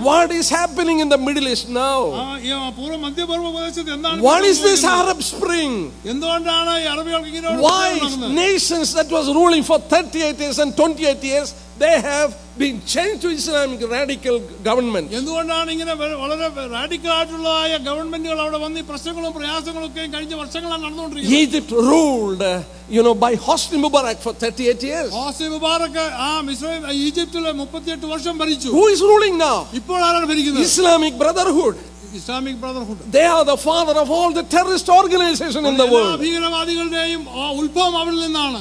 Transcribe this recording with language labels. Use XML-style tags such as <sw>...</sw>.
<en>What is happening in the Middle East now? What is this Arab Spring? Why nations that was ruling for 38 years and 28 years, they have been changed to Islamic radical government.</en> <ml>എന്തുകൊണ്ടാണ് ഇങ്ങനെ വളരെ radical ആയിട്ടുള്ളതായ ഗവൺമെന്റുകൾ അവിടെ വന്ന് ഈ പ്രശ്നങ്ങളും പ്രയാസങ്ങളും ഒക്കെ കഴിഞ്ഞ വർഷങ്ങളാണ് നടന്നുകൊണ്ടിരിക്കുന്നത്.</ml> <en>Egypt ruled, you know, by Hosni Mubarak for 38 years.</en> <ml>Hosni Mubarak ആ മിസ്രൈൽ ഈജിപ്തിലെ 38 വർഷം ഭരിച്ചു.</ml> <en>Who is ruling now?</en> <ml>ഇപ്പോൾ ആരാണ് ഭരിക്കുന്നത്?</ml> <en>Islamic Brotherhood. Islamic Brotherhood. They are the father of all the terrorist organizations in the world.</en> <ml>ഭീകരവാദികളുടെയും ഉത്ഭവം അവരിൽ നിന്നാണ്.</ml>